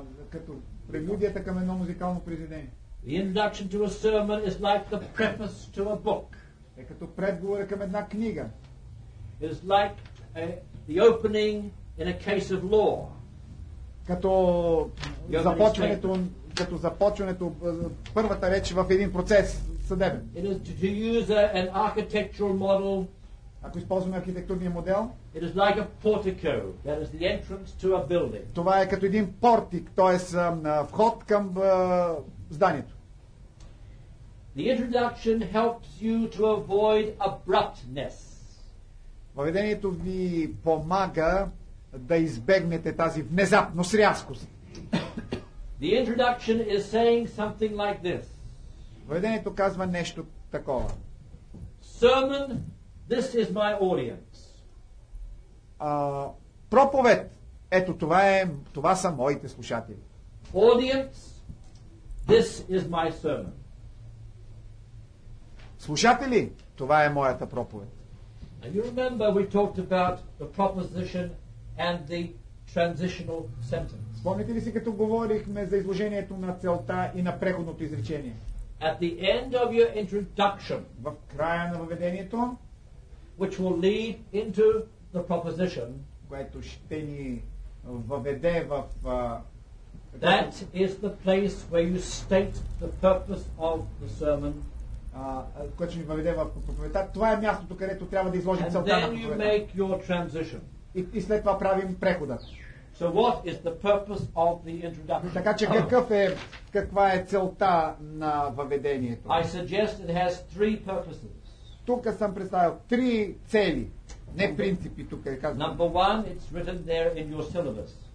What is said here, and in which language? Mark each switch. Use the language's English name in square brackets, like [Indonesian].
[Bulgarian] Като прелюдията към едно музикално произведение. [English] The introduction to a sermon is like the preface to a book. [Bulgarian] Е като предговор към една книга. [English] It's like the opening in a case of law. [Bulgarian] Като започването, първата реч в един процес. Съдебен. [English] It is to use an architectural model. [Bulgarian] Ако използваме архитектурния модел, [English] it is like a portico, that is the entrance to a building. [Bulgarian] Това е като един портик, т.е. вход към зданието. [English] The introduction helps you to avoid abruptness. [Bulgarian] Въведението ви помага да избегнете тази внезапност, рязкост. [English] The introduction is saying something like this. [Bulgarian] Въведението казва нещо такова. [English] Sermon, this is my audience. [Bulgarian] Проповед, ето това е, това са моите слушатели. [English] Audience, this is my sermon. [Bulgarian] Слушатели, това е моята проповед. [English] And you remember we talked about the proposition and the transitional sentence. [Bulgarian] Спомните ли си като говорихме за изложението на целта и на преходното изречение? [English] At the end of your introduction, [Bulgarian] в края на въведението, [English] which will lead into the proposition, [Bulgarian] което ще ни въведе в [English] that is the place where you state the purpose of the sermon, [Bulgarian] което ще ни въведе в проповедта. Това е мястото, където трябва да изложим целта на проповедта. [English] And then you make your transition. [Bulgarian] И след това правим прехода. [English] So what is the purpose of the introduction? [Bulgarian] Така че какъв е, каква е целта на въведението? [English] I suggest it has three purposes. [Bulgarian] Тук съм представил три цели, не принципи, тук е казано. [English] Number one, it's written there in your syllabus.